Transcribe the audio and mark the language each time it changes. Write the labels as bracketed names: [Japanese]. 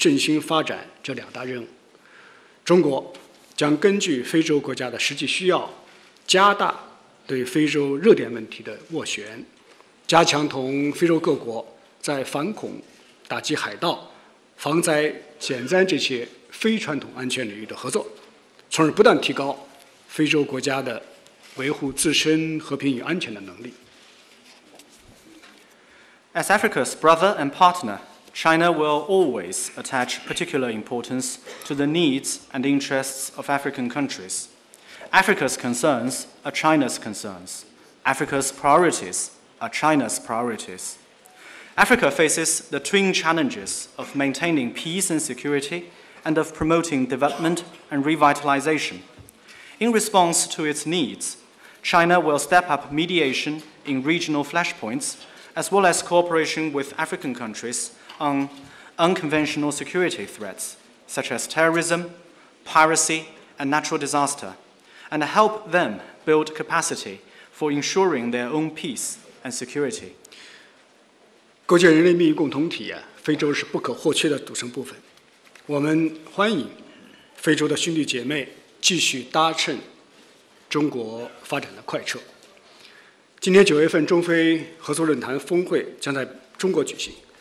[Chinese] 作为非洲国家的好兄弟和好伙伴，我们始终把非洲国家的需要和利益放在心上，想非洲之所想及非洲之所急。非洲当前面临着维护和平安全、促进振兴发展这两大任务，中国 将根据非洲国家的实际需要，加大对非洲热点问题的斡旋，加强同非洲各国在反恐、打击海盗、防灾、减灾这些非传统安全领域的合作，从而不断提高非洲国家的维护自身和平与安全的能力。 [English] As Africa's brother and partner, China will always attach particular importance to the needs and interests of African countries. Africa's concerns are China's concerns. Africa's priorities are China's priorities. Africa faces the twin challenges of maintaining peace and security and of promoting development and revitalization. In response to its needs, China will step up mediation in regional flashpoints, as well as cooperation with African countries on unconventional security threats, such as terrorism, piracy, and natural disaster, and help them build capacity for ensuring their own peace and security. [Chinese] 构建人类命运共同体，非洲是不可或缺的组成部分。我们欢迎非洲的兄弟姐妹继续搭乘中国发展的快车。今年9月份中非合作论坛峰会将在中国举行。